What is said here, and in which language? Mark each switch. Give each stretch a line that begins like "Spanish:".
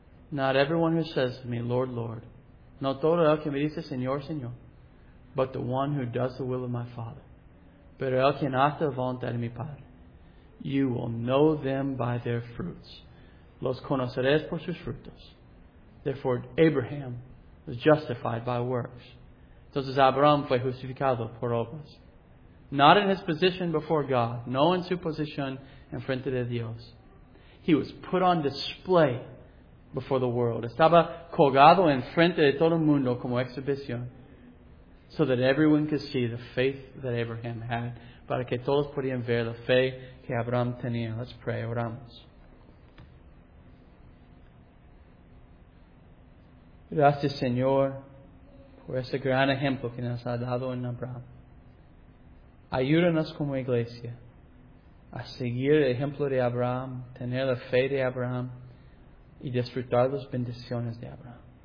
English: Not everyone who says to me, Lord, Lord.
Spanish: No todo el que me dice, Señor, Señor.
English: But the one who does the will of my Father.
Spanish: Pero el que hace la voluntad de mi Padre.
English: You will know them by their fruits.
Spanish: Los conoceréis por sus frutos.
English: Therefore, Abraham was justified by works.
Spanish: Entonces, Abraham fue justificado por obras.
English: Not in his position before God.
Spanish: No en su posición en frente de Dios.
English: He was put on display before the world.
Spanish: Estaba colgado en frente de todo el mundo como exhibición.
English: So that everyone could see the faith that Abraham had.
Spanish: Para que todos podían ver la fe que Abraham tenía.
English: Let's pray.
Spanish: Oramos. Gracias, Señor, por ese gran ejemplo que nos ha dado en Abraham. Ayúdanos como iglesia a seguir el ejemplo de Abraham, tener la fe de Abraham y disfrutar las bendiciones de Abraham.